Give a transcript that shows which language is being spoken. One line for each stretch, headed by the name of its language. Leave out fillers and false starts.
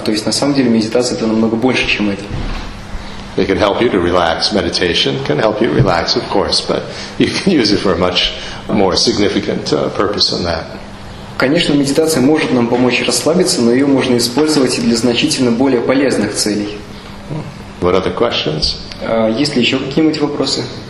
Russian: То есть на самом деле медитация — это намного больше, чем это.
English: It can help you to relax. Meditation can help you relax, of course, but you can use it for a much more significant purpose than that.
Russian: Конечно, медитация может нам помочь расслабиться, но ее можно использовать и для значительно более полезных целей.
English: What are the questions?
Russian: Есть ли еще какие-нибудь вопросы?